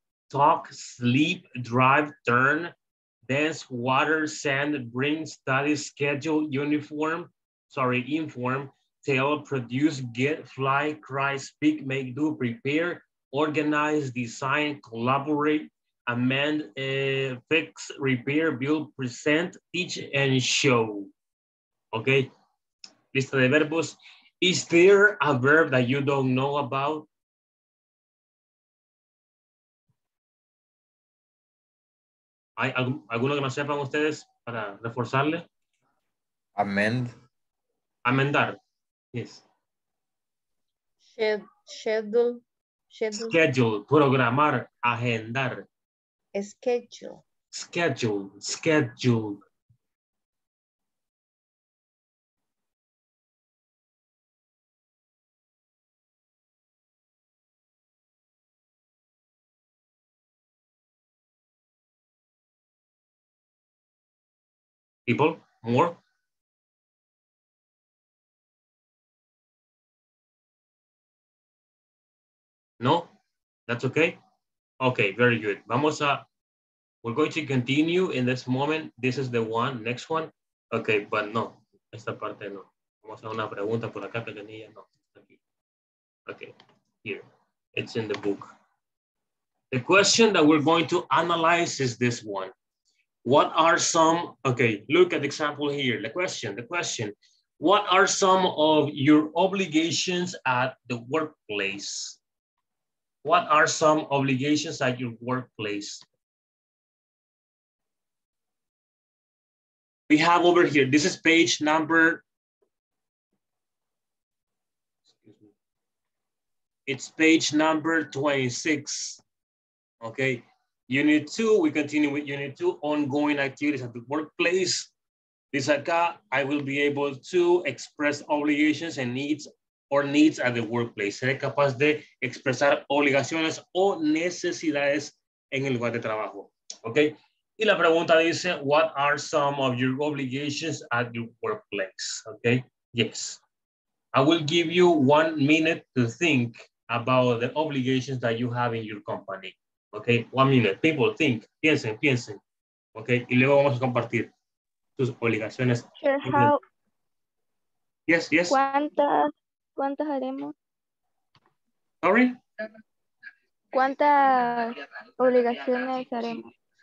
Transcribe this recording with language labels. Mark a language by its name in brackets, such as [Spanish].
[English] talk, sleep, drive, turn, dance, water, sand, bring, study, schedule, uniform, sorry, inform, tell, produce, get, fly, cry, speak, make, do, prepare, organize, design, collaborate, amend, fix, repair, build, present, teach, and show. [Spanish] Okay, lista de verbos. [English] Is there a verb that you don't know about? [Spanish] ¿Hay alguno que no sepan ustedes para reforzarle? [English] Amend. [Spanish] Amendar. Yes. [English] Schedule. [Spanish] Programar. Agendar. [English] Schedule. People, more? No? That's okay? Okay, very good. [Spanish] Vamos a, [English] we're going to continue in this moment. This is the one, next one. Okay, but no, [Spanish] esta parte no. Vamos a una pregunta por acá, pequeñilla, no. [English] Okay, here, it's in the book. The question that we're going to analyze is this one. What are some, okay, look at the example here, the question. What are some of your obligations at the workplace? What are some obligations at your workplace? We have over here, this is page number, it's page number 26, okay? Unit 2, we continue with Unit 2, ongoing activities at the workplace. This acá, I will be able to express obligations and needs or needs at the workplace. [Spanish] Seré capaz de expresar obligaciones o necesidades en el lugar de trabajo. [English] Okay. [Spanish] Y la pregunta dice, [English] what are some of your obligations at your workplace? Okay. Yes. I will give you 1 minute to think about the obligations that you have in your company. Okay, 1 minute. People think, piensen. [Spanish] Okay, y luego vamos a compartir tus obligaciones. [English] Sure, how? Yes. [Spanish] ¿Cuántas haremos? [English] Sorry? [Spanish] ¿Cuántas obligaciones haremos?